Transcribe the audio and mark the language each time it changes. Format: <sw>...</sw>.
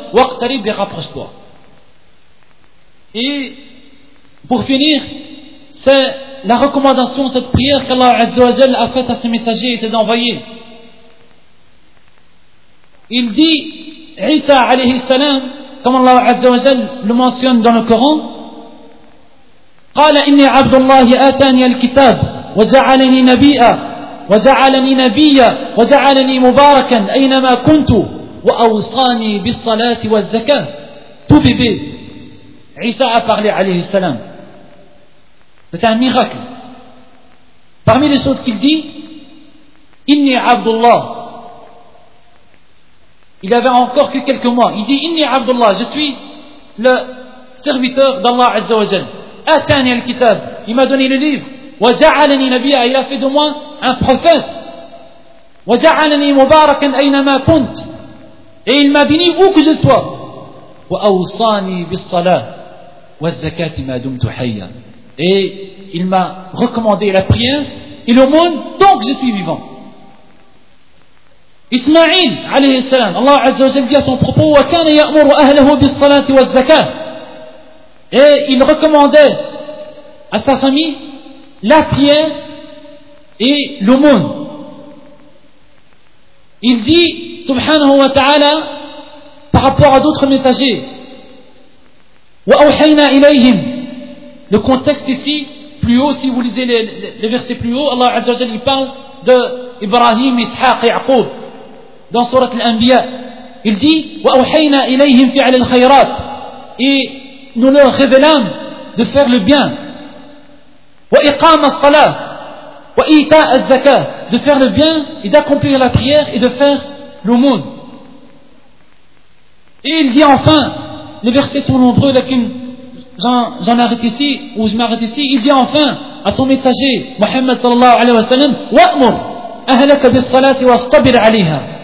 <fr>Waqtarib et rapproche-toi. Et pour finir, c'est la recommandation, cette prière qu'Allah Azza wa Jal a faite à ses messagers et ses envoyés. Il dit, Isa alayhi salam, comme Allah Azza wa Jal le mentionne dans le Coran,</fr> <ar>قال إني عبد الله آتاني الكتاب وجعلني نبيا وجعلني نبيا وجعلني مباركا أينما كنت وأوصاني بالصلاة والزكاة.</ar> <fr>Tout bébé, Isa a parlé, alayhi salam. C'est un miracle. Parmi les choses qu'il dit,</fr> <ar>Inni Abdullah.</ar> <fr>Il avait encore que quelques mois. Il dit,</fr> <ar>Inni Abdullah,</ar> <fr>je suis le serviteur d'Allah Azza wa Jal.</fr> <ar>Atani al-kitab.</ar> <fr>Il m'a donné le livre.</fr> <ar>Wa ja'alani nabiya.</ar> <fr>Il a fait de moi un prophète.</fr> <ar>Wa ja'alani mubarakan aynama kunt.</ar> <fr>Et il m'a béni où que je sois.</fr> <ar>وأوصاني بالصلاة والزكاة ما دمت حيا.</ar> <fr>Et il m'a recommandé la prière et l'aumône tant que je suis vivant.</fr> <ar>Ismaïl عليه السلام, Allah عز وجل</ar> <fr>dit à son propos,</fr> <ar>وكان يأمر أهله بالصلاة والزكاة.</ar> <fr>Et il recommandait à sa famille la prière et l'aumône. Il dit سبحانه وتعالى par rapport à d'autres messagers.</fr> <ar>وَأَوْحَيْنَا إِلَيْهِمْ.</ar> <fr>Le contexte ici, plus haut, si vous lisez les versets plus haut, Allah Azza wa Jalla parle de Ibrahim, Ishaq et Yaqub dans Sourate Al-Anbiya. Il dit</fr> <ar>وَأَوْحَيْنَا إِلَيْهِمْ فِعْلَ الْخَيْرَاتِ.</ar> <fr>Et nous leur révélâmes de faire le bien.</fr> <ar>وَإِقَامَ الصَّلَاةِ وَإِيتَاءَ الزَّكَاةِ.</ar> <fr>De faire le bien et d'accomplir la prière et de faire l'aumône. Et il dit enfin, les versets sont nombreux, lakin j'en arrête ici, ou je m'arrête ici, il dit enfin à son messager, Muhammad sallallahu alayhi wa sallam,</fr> <ar>وَأْمُرْ أَهْلَكَ بِالصَّلَاةِ وَاصْطَبِرْ عَلَيْهَا.</ar>